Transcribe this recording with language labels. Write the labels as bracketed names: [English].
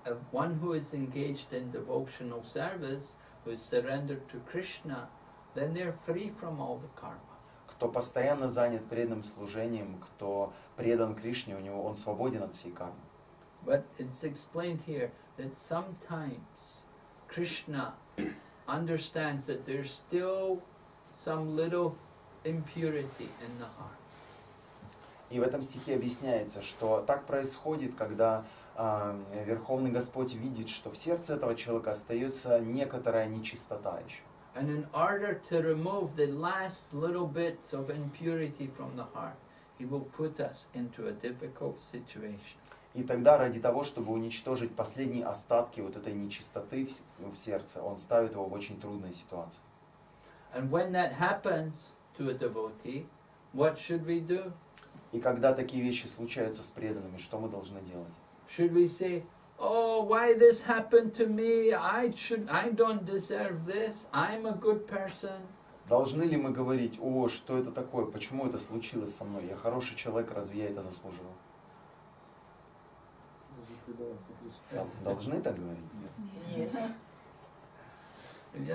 [English] One who is engaged in devotional service, who is surrendered to Krishna, then they're free from all the karma. [Russian] Кто постоянно занят преданным служением, кто предан Кришне, у него он свободен от всей кармы. [English] But it's explained here that sometimes Krishna understands that there's still some little impurity in the heart. [Russian] И в этом стихе объясняется, что так происходит, когда Верховный Господь видит, что в сердце этого человека остается некоторая нечистота еще. [English] And in order to remove the last little bits of impurity from the heart, he will put us into a difficult situation. [Russian] И тогда, ради того, чтобы уничтожить последние остатки вот этой нечистоты в сердце, он ставит его в очень трудные ситуации. [English] And when that happens to a devotee, what should we do? [Russian] И когда такие вещи случаются с преданными, что мы должны делать? [English] Should we say, oh, why this happened to me? I don't deserve this. I'm a good person. [Russian] Должны ли мы говорить, о, что это такое? Почему это случилось со мной? Я хороший человек, разве я это заслужил? Должны так говорить?